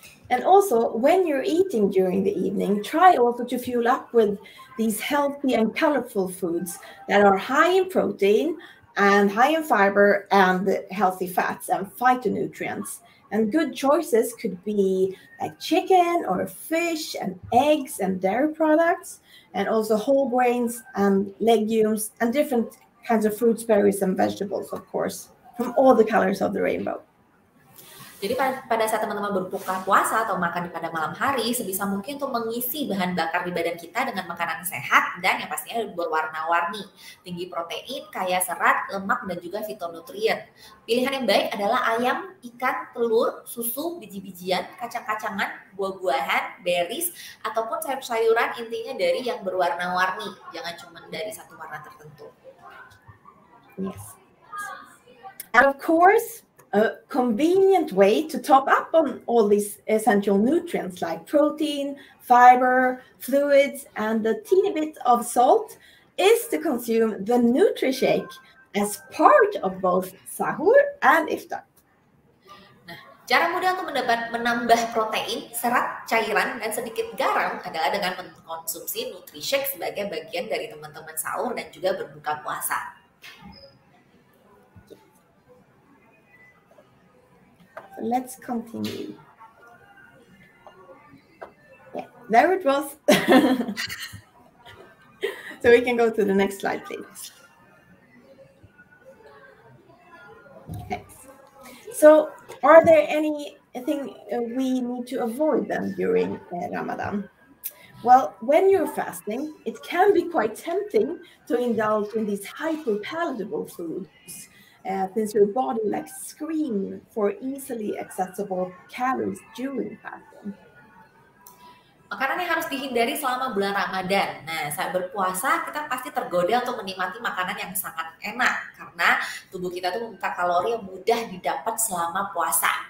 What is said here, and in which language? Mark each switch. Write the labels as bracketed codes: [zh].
[en] And also, when you're eating during the evening, try also to fuel up with these healthy and colorful foods that are high in protein and high in fiber and healthy fats and phytonutrients. And good choices could be like chicken or fish and eggs and dairy products, and also whole grains and legumes and different kinds of fruits, berries, and vegetables, of course, from all the colors of the rainbow. [id] Jadi pada saat teman-teman berbuka puasa atau makan pada malam hari, sebisa mungkin untuk mengisi bahan bakar di badan kita dengan makanan sehat dan yang pastinya berwarna-warni, tinggi protein, kaya serat, lemak, dan juga fitonutrien. Pilihan yang baik adalah ayam, ikan, telur, susu, biji-bijian, kacang-kacangan, buah-buahan, berries, ataupun sayur-sayuran, intinya dari yang berwarna-warni, jangan cuma dari satu warna tertentu. Yes. [en] And of course, a convenient way to top up on all these essential nutrients like protein, fiber, fluids, and a teeny bit of salt is to consume the Nutrishake as part of both sahur and iftar. [id] Nah, cara mudah untuk menambah protein, serat, cairan, dan sedikit garam adalah dengan mengkonsumsi Nutrishake sebagai bagian dari teman-teman sahur dan juga berbuka puasa. [en] Let's continue. Yeah, there it was. So we can go to the next slide, please. Okay. So are there anything we need to avoid then during Ramadan? Well, when you're fasting, it can be quite tempting to indulge in these hyper-palatable foods, since your body like scream for easily accessible calories during fasting. [id] Makanan yang harus dihindari selama bulan Ramadan. Nah, saat berpuasa kita pasti tergoda untuk menikmati makanan yang sangat enak karena tubuh kita tuh membutuhkan kalori yang mudah didapat selama puasa.